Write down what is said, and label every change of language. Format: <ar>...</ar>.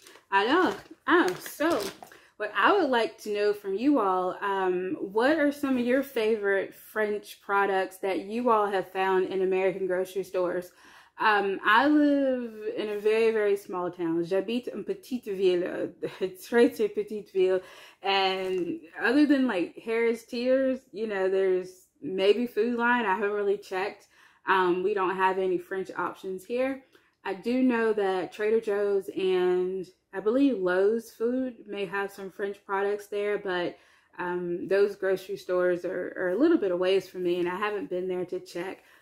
<en>Alors, what I would like to know from you all, what are some of your favorite French products that you all have found in American grocery stores? I live in a very, very small town.</en> <fr>J'habite une petite ville, a très, très petite ville.</fr> <en>And other than like Harris Teeter's, there's maybe Food Lion. I haven't really checked. We don't have any French options here. I do know that Trader Joe's and I believe Lowe's Food may have some French products there, but those grocery stores are a little bit away from me, and I haven't been there to check.</en>